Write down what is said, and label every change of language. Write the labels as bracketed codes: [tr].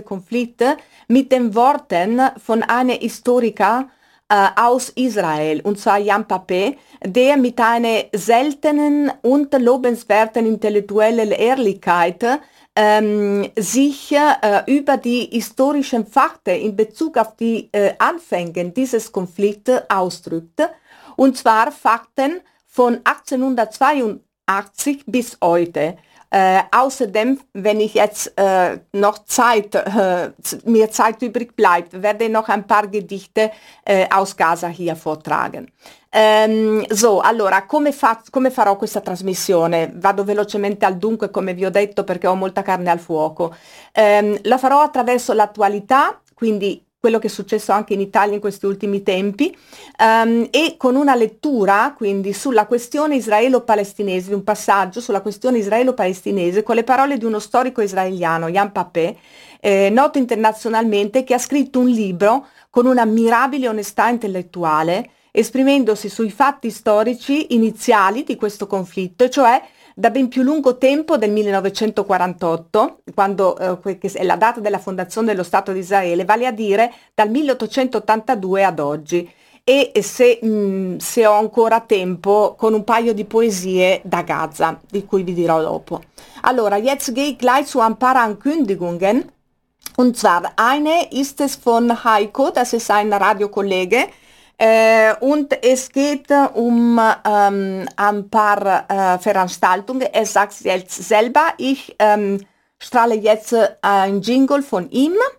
[de] Konflikte mit den Worten von einem Historiker aus Israel, und zwar Jan Papé, der mit einer seltenen und lobenswerten intellektuellen Ehrlichkeit sich über die historischen Fakten in Bezug auf die Anfänge dieses Konflikts ausdrückte, und zwar Fakten von 1882 bis heute. Außerdem, wenn ich jetzt noch Zeit, mir Zeit übrig bleibt, werde ich noch ein paar Gedichte aus Gaza hier vortragen. [it] So, allora, come farò questa trasmissione? Vado velocemente al dunque, come vi ho detto, perché ho molta carne al fuoco. La farò attraverso l'attualità, quindi quello che è successo anche in Italia in questi ultimi tempi, e con una lettura, quindi, sulla questione israelo-palestinese, un passaggio sulla questione israelo-palestinese, con le parole di uno storico israeliano, Jan Papé, noto internazionalmente, che ha scritto un libro con un'ammirabile onestà intellettuale, esprimendosi sui fatti storici iniziali di questo conflitto, cioè da ben più lungo tempo del 1948, quando che è la data della fondazione dello Stato di Israele, vale a dire dal 1882 ad oggi. E se ho ancora tempo, con un paio di poesie da Gaza, di cui vi dirò dopo. [de] Allora, jetzt gehe ich gleich zu ein paar Ankündigungen. Und zwar, eine ist es von Heiko, das ist ein Radiokollege, und es geht ein paar Veranstaltungen. Er sagt jetzt selber, ich strahle jetzt einen Jingle von ihm.